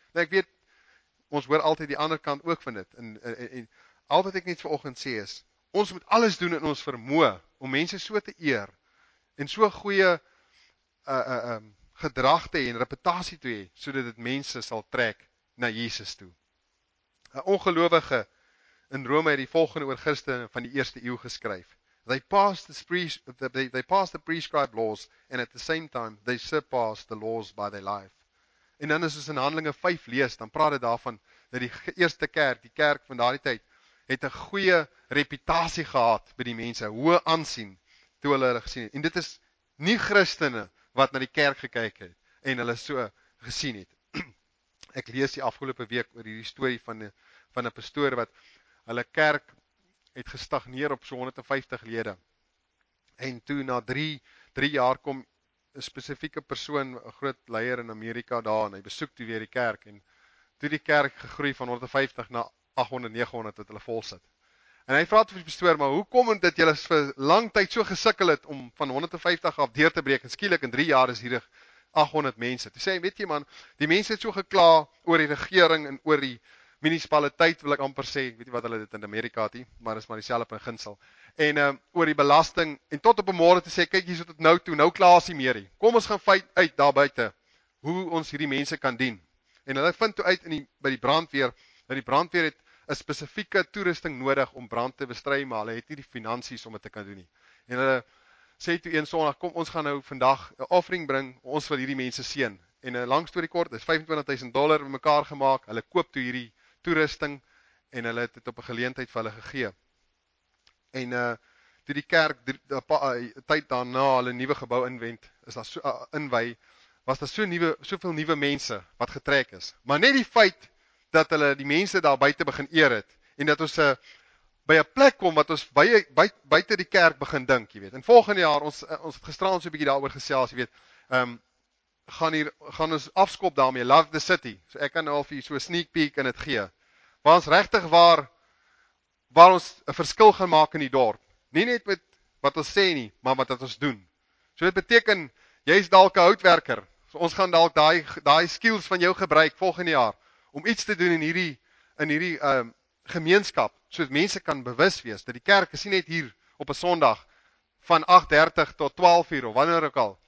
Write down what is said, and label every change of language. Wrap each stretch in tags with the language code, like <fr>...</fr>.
<af>Nou ek weet, ons hoor altyd die ander kant ook van dit. En al wat ek net vanoggend sê is, ons moet alles doen in ons vermoë om mense so te eer en so goeie gedrag te hê en reputasie te hê, sodat dit mense sal trek na Jesus toe. 'N ongelowige in Rome het die volgende oor Christene van die eerste eeu geskryf.</af> <en>They passed the prescribed laws and at the same time they surpassed the laws by their life.</en> <af>En dan as ons in Handelinge 5 lees, dan praat dit daarvan dat die eerste kerk, die kerk van daardie tyd, het 'n goeie reputasie gehad by die mense, hoë aansien toe hulle hulle gesien het. En dit is nie Christene wat na die kerk gekyk het en hulle so gesien het. Ek lees die afgelope week oor hierdie storie van 'n pastoor wat hulle kerk het gestagneer op so 150 lede. En toe na 3 jaar kom 'n spesifieke persoon, 'n groot leier in Amerika daar en hy besoek toe weer die kerk en toe die kerk gegroei van 150 na 800, 900 wat hulle vol sit. En hy vra toe die pastoor, maar hoe kom dit dat julle vir lang tyd so gesukkel het om van 150 af deur te breek en skielik in 3 jaar is hier 800 mense. Toe sê hy, weet jy man, die mense het so gekla oor die regering en oor die munisipaliteit, wil ek amper sê, ek weet nie wat hulle dit in Amerika het nie, maar is maar dieselfde beginsel. En oor die belasting en tot op 'n môre te sê, kyk hier tot nou toe, nou klaar is die meerie. Kom ons gaan fyt uit daar buite hoe ons hierdie mense kan dien. En hulle vind toe uit by die brandweer, dat die brandweer het 'n spesifieke toerusting nodig om brand te bestry, maar hulle het nie die finansies om dit te kan doen nie. En hulle sê toe een Sondag, kom ons gaan nou vandag 'n offering bring, ons wil hierdie mense seën. En 'n lang storie kort, is $25,000 bymekaar gemaak. Hulle koop toe hierdie toerusting en hulle het dit op 'n geleentheid vir hulle gegee. En toe die kerk tyd daarna hulle nuwe gebou inwend, is daar so inwy, was daar soveel nuwe mense wat getrek is. Maar net die feit dat hulle die mense daar buite begin eer het en dat ons 'n by 'n plek kom wat ons baie buite die kerk begin dink, jy weet. En volgende jaar ons het gisteraand so 'n bietjie daaroor gesels, jy weet. Gaan ons afskop daarmee, Love the City. So ek kan nou al vir so 'n sneak peek in dit gee. Waar ons regtig waar ons 'n verskil gaan maak in die dorp. Nie net met wat ons sê nie, maar wat ons doen. So dit beteken jy's dalk 'n houtwerker. So ons gaan dalk daai skills van jou gebruik volgende jaar om iets te doen in hierdie gemeenskap, sodat mense kan bewus wees dat die kerk is nie net hier op 'n Sondag van 8:30 tot 12:00 of wanneer ook al.</af>